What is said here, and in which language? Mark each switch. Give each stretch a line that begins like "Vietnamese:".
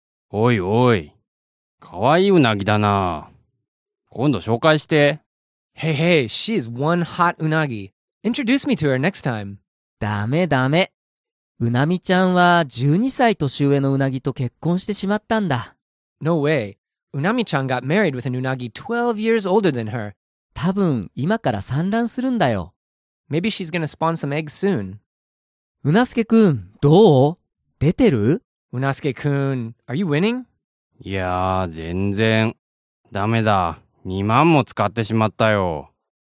Japanese: おいおい。かわいいうなぎだな。今度紹介して。
English: Hey, hey, she's one hot unagi. Introduce me to her next time.
Japanese: ダメダメ。うなみちゃんは12歳年上のうなぎと結婚してしまったんだ。
English: No way. うなみちゃん got married with an unagi 12 years older than her.
Japanese: 多分今から産卵するんだよ。
English: Maybe she's gonna spawn some eggs soon.
Japanese: うなすけくん、どう？出てる？う
English: なすけくん、are you winning?
Japanese: いやー、全然。ダメだ。 2万も使ってしまったよ。